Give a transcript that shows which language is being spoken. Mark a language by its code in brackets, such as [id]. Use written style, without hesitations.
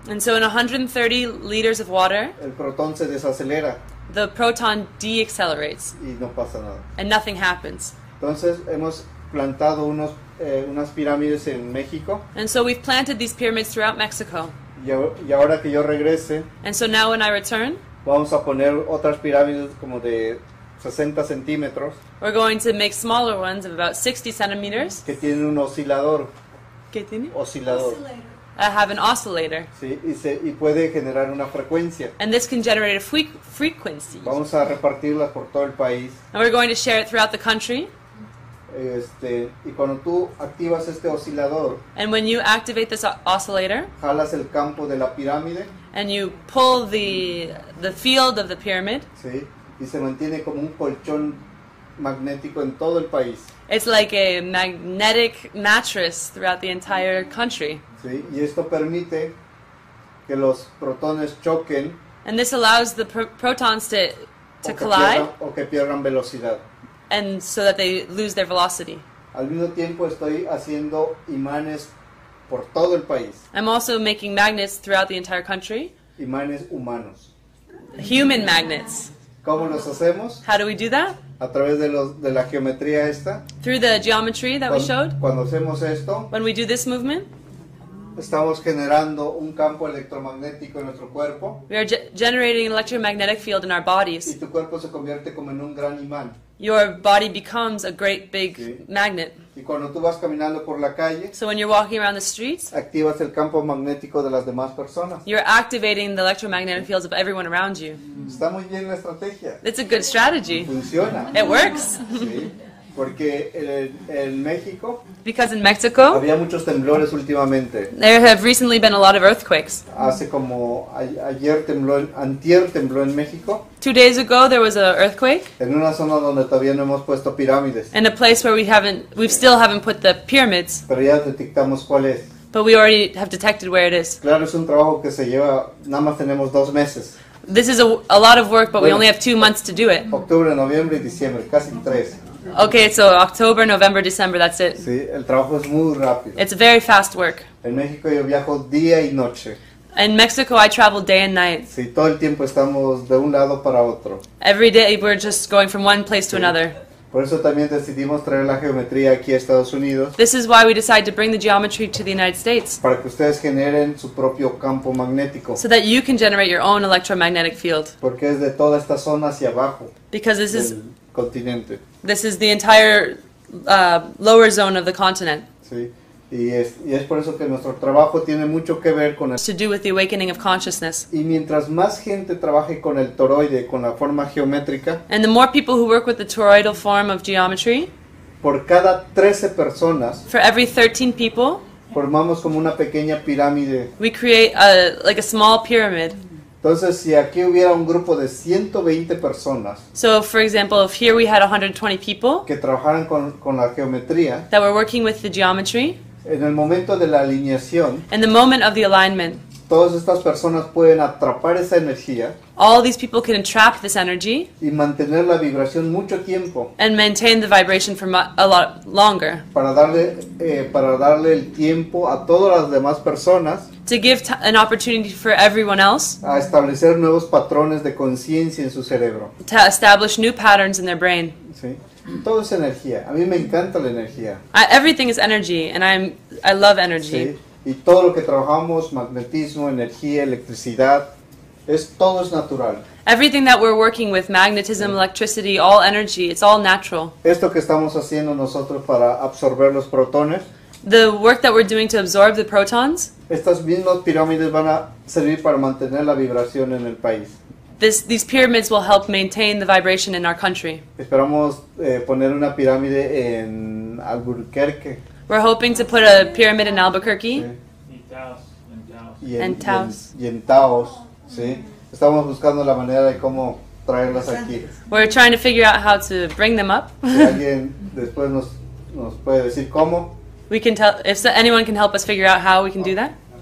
[en] And so in 130 liters of water. [es] El protón se desacelera. [en] The proton deaccelerates. [es] Y no pasa nada. [en] And nothing happens. [es] Entonces, hemos plantado unas pirámides en México. [en] And so we've planted these pyramids throughout Mexico. [es] Y ahora que yo regrese. [en] And so now when I return. [es] Vamos a poner otras pirámides como de 60 centímetros. [en] We're going to make smaller ones of about 60 centimeters. [es] Que tienen un oscilador. ¿Qué tiene? Oscilador. [en] I have an oscillator. [es] Sí, y puede generar una frecuencia. [en] And this can generate a frequency. [es] Vamos a repartirlas por todo el país. [en] And we're going to share it throughout the country. [es] Y cuando tú activas este oscilador. [en] And when you activate this oscillator. [es] Jalas el campo de la pirámide. [en] And you pull the field of the pyramid. [es] Sí, y se mantiene como un colchón magnético en todo el país. [en] It's like a magnetic mattress throughout the entire country. [es] Sí, y esto permite que los protones choquen. [en] And this allows the protons to collide. [es] O que pierdan velocidad. [en] And so that they lose their velocity. [es] Al mismo tiempo estoy haciendo imanes por todo el país. [en] I'm also making magnets throughout the entire country. [es] Imanes humanos. [en] Human magnets. [es] ¿Cómo los hacemos? [en] How do we do that? [es] A través de la geometría esta. [en] Through the geometry that we showed. [es] Cuando hacemos esto. [en] When we do this movement. [es] Estamos generando un campo electromagnético en nuestro cuerpo. [en] We are generating an electromagnetic field in our bodies. [es] Y tu cuerpo se convierte como en un gran imán. [en] Your body becomes a great big magnet. [es] Y cuando tú vas caminando por la calle, [en] so when you're walking around the streets, [es] activas el campo magnético de las demás personas. [en] You're activating the electromagnetic fields of everyone around you. [es] Está muy bien la estrategia. [en] It's a good strategy. [es] Funciona. [en] It works. [es] Sí. Porque en México, [en] because in Mexico, [es] había muchos temblores últimamente. [en] There have recently been a lot of earthquakes. [es] Hace como ayer tembló, antier tembló en México. [en] 2 days ago, there was an earthquake. [es] En una zona donde todavía no hemos puesto pirámides. [en] In a place where we still haven't put the pyramids. [es] Pero ya detectamos cuál es. [en] But we already have detected where it is. [es] Claro, es un trabajo que se lleva, nada más tenemos 2 meses. [en] This is a lot of work, but bueno, we only have 2 months to do it. [es] Octubre, noviembre y diciembre, casi 3. [en] Okay, so October, November, December, that's it. [es] Sí, el trabajo es muy rápido. [en] It's very fast work. [es] En México yo viajo día y noche. [en] In Mexico, I travel day and night. [es] Sí, todo el tiempo estamos de un lado para otro. [en] Every day, we're just going from one place to another. [es] Por eso también decidimos traer la geometría aquí a Estados Unidos. [en] This is why we decided to bring the geometry to the United States. [es] Para que ustedes generen su propio campo magnético. [en] So that you can generate your own electromagnetic field. [es] Porque es de toda esta zona hacia abajo. [en] Because this is [es] continente. [en] This is the entire lower zone of the continent. [es] Sí. Y es por eso que nuestro trabajo tiene mucho que ver con [en] to do with the awakening of consciousness. [es] Y mientras más gente trabaje con el toroide, con la forma geométrica, [en] and the more people who work with the toroidal form of geometry, [es] por cada 13 personas, [en] for every 13 people, [es] formamos como una pequeña pirámide. [en] We create a small pyramid. [es] Entonces, si aquí hubiera un grupo de 120 personas, [en] so for example, if here we had 120 people [es] que trabajaran con la geometría, [en] that were working with the geometry, [es] en el momento de la alineación, [en] in the moment of the alignment, [es] todas estas personas pueden atrapar esa energía, [en] all these people can entrap this energy, [es] y mantener la vibración mucho tiempo, [en] and maintain the vibration for a lot longer, [es] para darle el tiempo a todas las demás personas, [en] to give an opportunity for everyone else, [es] a establecer nuevos patrones de conciencia en su cerebro, [en] to establish new patterns in their brain. [es] Sí. Todo es energía. A mí me encanta la energía. [en] Everything is energy, and I love energy. [es] Sí. Y todo lo que trabajamos, magnetismo, energía, electricidad, todo es natural. [en] Everything that we're working with, magnetism, electricity, all energy, it's all natural. [es] Esto que estamos haciendo nosotros para absorber los protones, [en] the work that we're doing to absorb the protons, [es] estas mismas pirámides van a servir para mantener la vibración en el país. [en] These pyramids will help maintain the vibration in our country. [es] Esperamos poner una pirámide en Albuquerque. [en] We're hoping to put a pyramid in Albuquerque. Sí. [es] Y en Taos. Y en Taos, sí. Estamos buscando la manera de cómo traerlas aquí. [en] We're trying to figure out how to bring them up. [es] Si alguien después nos puede decir cómo. [en] We can tell if anyone can help us figure out how we can do that.